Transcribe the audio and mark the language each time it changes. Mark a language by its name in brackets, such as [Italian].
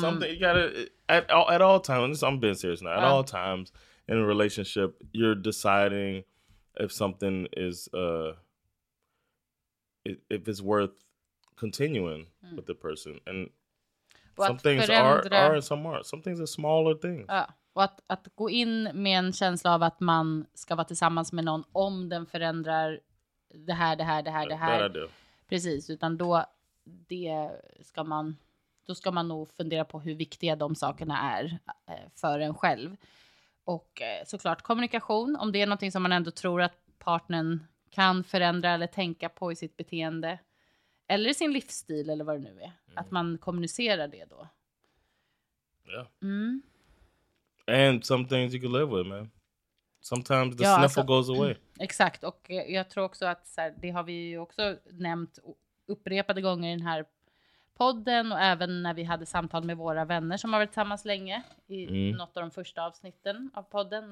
[English] No, something, you gotta, at all times, I'm being serious now. At all times in a relationship, you're deciding if something is... if it's worth continuing with the person. And some things are and some aren't. Some things are smaller things. [Swedish] Ja. Och att gå in med en känsla av att man ska vara tillsammans med någon om den förändrar det här. [English] That I do. [Swedish] Precis, utan då det ska man, då ska man nog fundera på hur viktiga de sakerna är för en själv. Och såklart kommunikation, om det är någonting som man ändå tror att partnern kan förändra eller tänka på i sitt beteende. Eller i sin livsstil eller vad det nu är. Mm. Att man kommunicerar det då. Ja. [English] Yeah. Mm. And some things you can live with, man. Sometimes the sniffle goes away. [Swedish] Exakt, och jag tror också att så här, det har vi ju också nämnt upprepade gånger i den här podden och även när vi hade samtal med våra vänner som har varit tillsammans länge i något av de första avsnitten av podden.